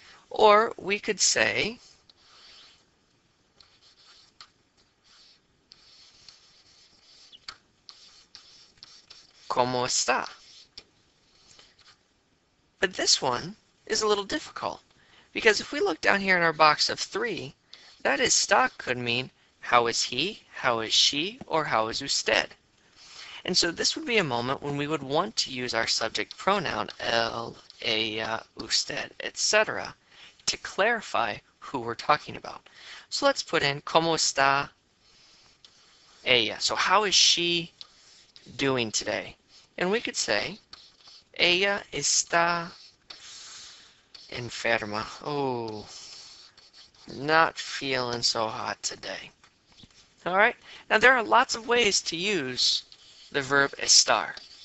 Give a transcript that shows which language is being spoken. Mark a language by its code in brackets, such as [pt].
[en] Or we could say [es] ¿cómo está? [en] But this one is a little difficult because if we look down here in our box of three, that is stock could mean how is he, how is she, or how is usted. And so this would be a moment when we would want to use our subject pronoun, el, ella, usted, etc., to clarify who we're talking about. So let's put in [es] ¿cómo está ella? [en] So how is she doing today? And we could say [es] ella está enferma. [en] Oh, not feeling so hot today. All right. Now there are lots of ways to use the verb estar.